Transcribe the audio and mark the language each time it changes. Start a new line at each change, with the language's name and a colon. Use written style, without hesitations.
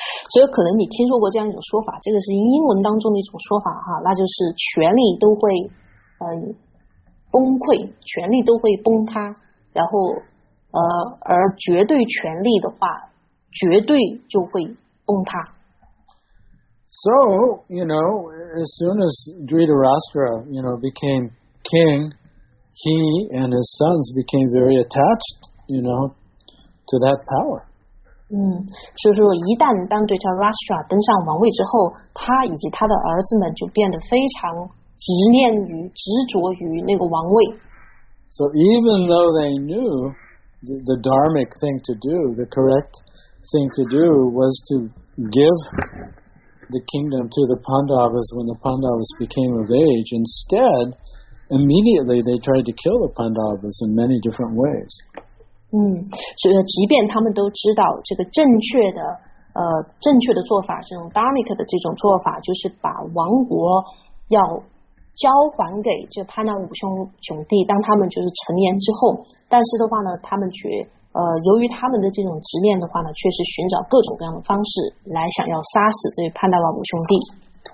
Chinese: 所以可能你听说过这样一种说法，这个是英文当中的一种说法哈，那就是权力都会崩溃，权力都会崩塌，然后而绝对权力的话，绝对就会崩塌。
English: So, you know, as soon as Dhritarashtra, you know, became king, he and his sons became very attached, you know, to that power.
Chinese: 所以说一旦当 Dhritarashtra 登上王位之后，他以及他的儿子们就变得非常执着于那个王位。
English: So even though they knew the dharmic thing to do, the correct thing to do was to give the kingdom to the Pandavas when the Pandavas became of age, instead, immediately they tried to kill the Pandavas in many different ways.
Chinese: 所以即便他们都知道这个正确的做法，这种 dharmic 的这种做法，就是把王国要交还给这潘达五兄弟，当他们就是成年之后，但是的话呢，他们却由于他们的这种执念的话呢，确实寻找各种各样的方式来想要杀死这潘达瓦五兄弟。